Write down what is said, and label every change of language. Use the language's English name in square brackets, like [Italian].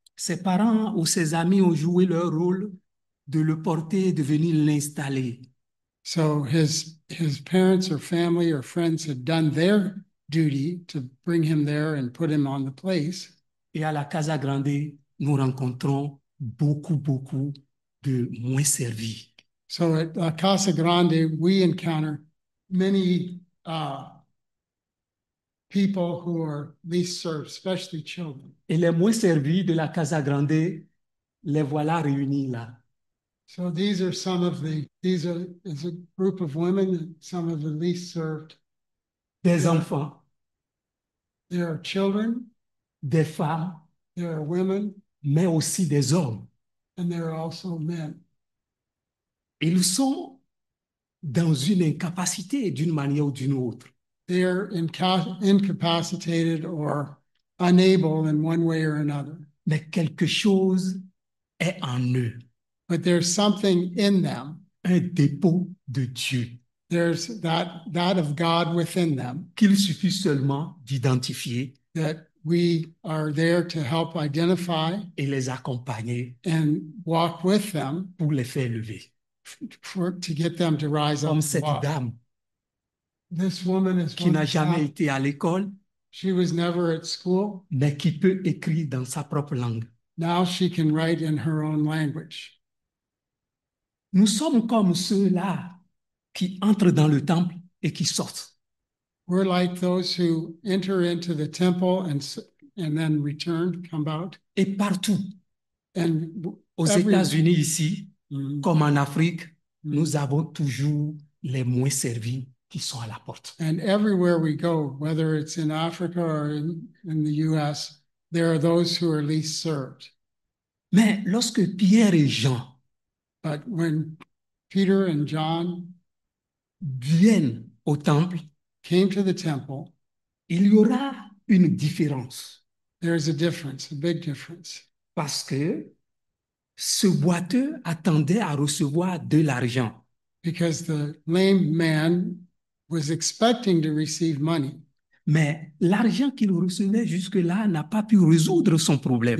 [French] Ses parents ou ses amis ont joué leur rôle de le porter et de venir l'installer. [English] So his parents or family or friends had done their duty to bring him there and put him on the place. [French] Et à la Casa Grande, nous rencontrons beaucoup, beaucoup de moins servis. [English] So at La Casa Grande, we encounter many people who are least served, especially children. [French] Et les moins servis de la Casa Grande, les voilà réunis là. [English] So these are some of the, these are is a group of women, some of the least served. [French] Des enfants. [English] There are children. [French] Des femmes. [English] There are women. [French] Mais aussi des hommes. [English] And there are also men. [French] Ils sont dans une incapacité d'une manière ou d'une autre. [English] They are incapacitated or unable in one way or another. [French] Mais quelque chose est en eux. [English] But there's something in them. [French] Un dépôt de Dieu. [English] There's that of God within them. [French] Qu'il suffit seulement d'identifier. [English] That we are there to help identify. [French] Et les accompagner. [English] And walk with them. [French] Pour les faire lever. [English] For, to get them to rise [French] comme [English] up [French] cette [English] and walk. [French] Dame. [English] This woman is [French] qui n'a jamais été à l'école, [English] she was never at school, [French] mais qui peut écrire dans sa propre langue. [English] Now she can write in her own language. [French] Nous sommes comme ceux-là qui entrent dans le temple et qui sortent. [English] We're like those who enter into the temple and then return, come out. [French] Et partout, [English] and [French] aux États-Unis ici, comme en Afrique, nous avons toujours les moins servis. [English] And everywhere we go, whether it's in Africa or in the US, there are those who are least served. [French] Mais lorsque Pierre et Jean [English] but when Peter and John [French] viennent au temple, [English] came to the temple, [French] il y aura une différence. [English] There is a difference, a big difference. [French] Parce que ce boiteux attendait à recevoir de l'argent. [English] Because the lame man was expecting to receive money. [French] Mais l'argent qu'il recevait jusque-là n'a pas pu résoudre son problème.